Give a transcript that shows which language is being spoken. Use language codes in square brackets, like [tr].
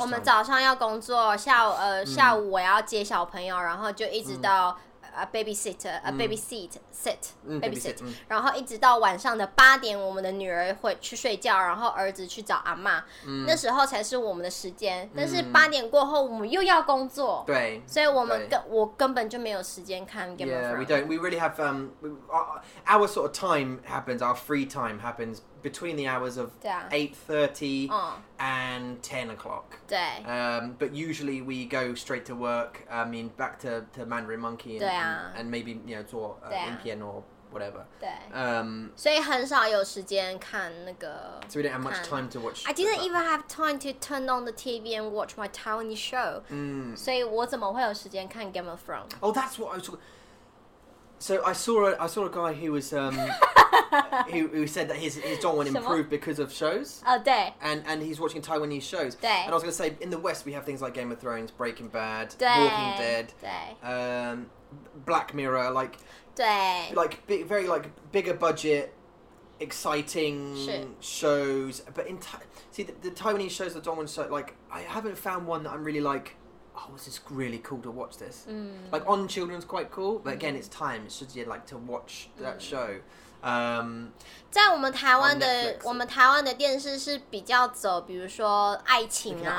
[zh] 我们早上要工作，下午下午我要接小朋友，然后就一直到babysit， 然后一直到晚上的八点，我们的女儿会去睡觉，然后儿子去找阿嬷，那时候才是我们的时间。但是八点过后，我们又要工作，对，所以我根本就没有时间看 Game of Thrones。 [en] Yeah, we don't. We really have our sort of time happens. Our free time happens between the hours of 8:30 and 10 o'clock. [zh] 对。 [en] But usually we go straight to work. I mean, back to Mandarin Monkey and maybe you know NPN or whatever. [zh] 对。所以很少有时间看那个。 [en] So we didn't have much time to watch. I didn't even have time to turn on the TV and watch my Taiwanese show. [zh] 所以我怎么会有时间看 Game of Thrones? [en] Oh, that's what I was talking. So I saw a guy who was who said that his Taiwan improved because of shows. [zh] Oh, 对. [en] And he's watching Taiwanese shows. [zh] 对. [en] And I was going to say, in the West, we have things like Game of Thrones, Breaking Bad, 对. Walking Dead, [zh] 对. [en] Black Mirror, like [zh] 对. [en] Like very like bigger budget, exciting [zh] 是. [en] Shows. But in the Taiwanese shows, the Taiwan show, like I haven't found one that I'm really like. Oh, this is really cool to watch this. Mm. Like, On Children's quite cool, but again, it's time. It's just, like, to watch that show. [zh] 在我们台湾的我们台湾的电视是比较走，比如说爱情啊